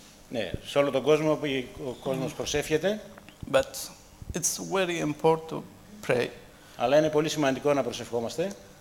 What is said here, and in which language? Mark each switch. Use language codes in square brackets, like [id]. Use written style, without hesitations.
[el] Ναι, σε όλο τον κόσμο που ο κόσμος προσεύχεται. [en] But it's very important to pray. [el] Αλλά είναι πολύ σημαντικό να προσευχόμαστε.